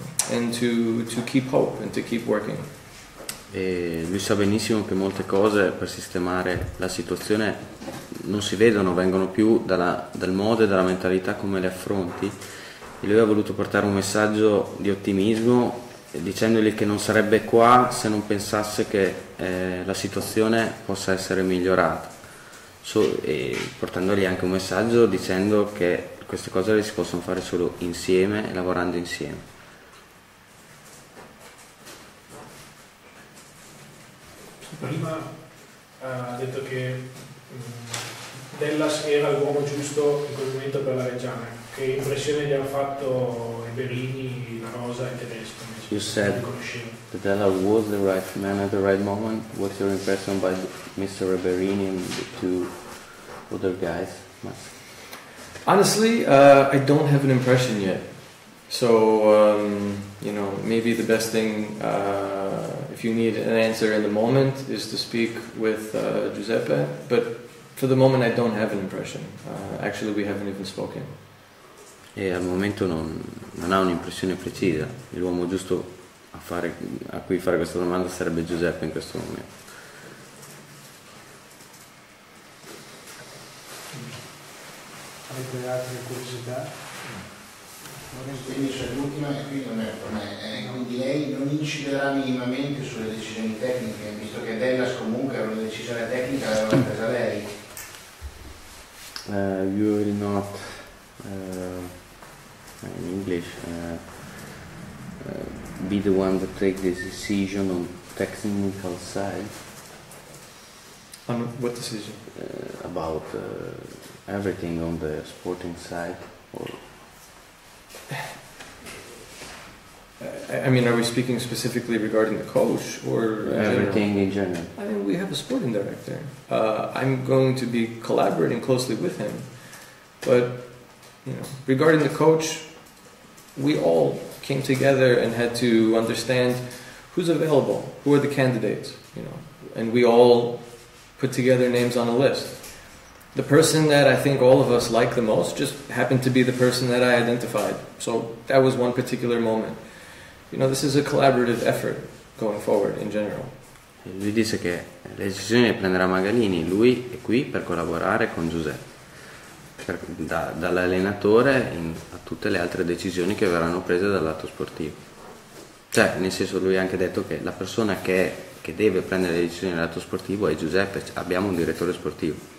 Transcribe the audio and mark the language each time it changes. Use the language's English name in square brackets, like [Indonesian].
[English] And to keep hope and to keep working. [Italian] E lui sa benissimo che molte cose per sistemare la situazione non si vedono, vengono più dal modo e dalla mentalità come le affronti. E lui ha voluto portare un messaggio di ottimismo dicendogli che non sarebbe qua se non pensasse che la situazione possa essere migliorata, e portandogli anche un messaggio dicendo che queste cose le si possono fare solo insieme, lavorando insieme. Prima ha detto che Dellas era l'uomo giusto in quel momento per la Reggiana. Che impressione gli ha fatto i Berini, la Rosa e il tedesco? [English] You said that Della was the right man at the right moment. What's your impression by Mr. Reberini and the two other guys? Honestly, I don't have an impression yet. So, maybe the best thing, if you need an answer in the moment, is to speak with Giuseppe. But for the moment, I don't have an impression. Actually, we haven't even spoken. [Italian] E al momento non ha un'impressione precisa. L'uomo giusto a cui fare questa domanda sarebbe Giuseppe in questo momento. Avete altre curiosità? Quindi c'è l'ultima, e qui non è per me, quindi lei non inciderà minimamente sulle decisioni tecniche, visto che Dellas comunque era una decisione tecnica, l'aveva presa lei. [English] You will not. In English, be the one that take the decision on technical side. On what decision? About everything on the sporting side? Or I mean, are we speaking specifically regarding the coach or everything in general? I mean, we have a sporting director. I'm going to be collaborating closely with him. But, you know, regarding the coach, we all came together and had to understand who's available, who are the candidates, you know, and we all put together names on a list. The person that I think all of us like the most just happened to be the person that I identified. So that was one particular moment. You know, this is a collaborative effort going forward in general. [Italian] Lui dice che la decisione prenderà Magalini, lui è qui per collaborare con Giuseppe. Dall'allenatore a tutte le altre decisioni che verranno prese dal lato sportivo. Cioè, nel senso, lui ha anche detto che la persona che deve prendere le decisioni dal lato sportivo è Giuseppe, abbiamo un direttore sportivo.